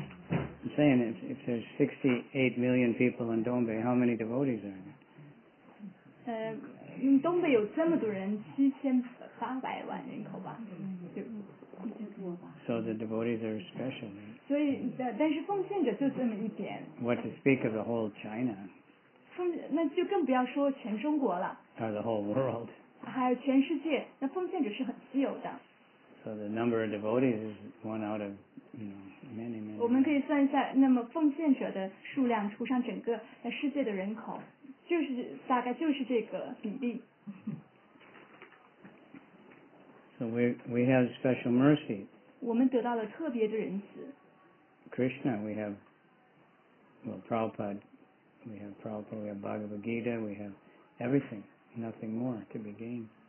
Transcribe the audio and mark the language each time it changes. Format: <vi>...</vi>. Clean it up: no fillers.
<en>I'm saying if there's 68 million people in Dongbei, how many devotees are there? In Dongbei, there are so many people, 7,800,000 people. So the devotees are special. So, but the devotees are so many. What to speak of the whole China?</en> <zh>封那就更不要说全中国了。</zh> <en>Or the whole world.</en> <zh>还有全世界，那奉献者是很稀有的。</zh> <en>So the number of devotees is one out of, you know, many, many.</en> <zh>我们可以算一下，那么奉献者的数量除上整个世界的人口，就是大概就是这个比例。</zh> <en>So we have special mercy.</en> <zh>我们得到了特别的仁慈。</zh> <en>Krishna, we have, well, Prabhupada, we have Prabhupada, we have Bhagavad Gita, we have everything, nothing more to be gained.</en>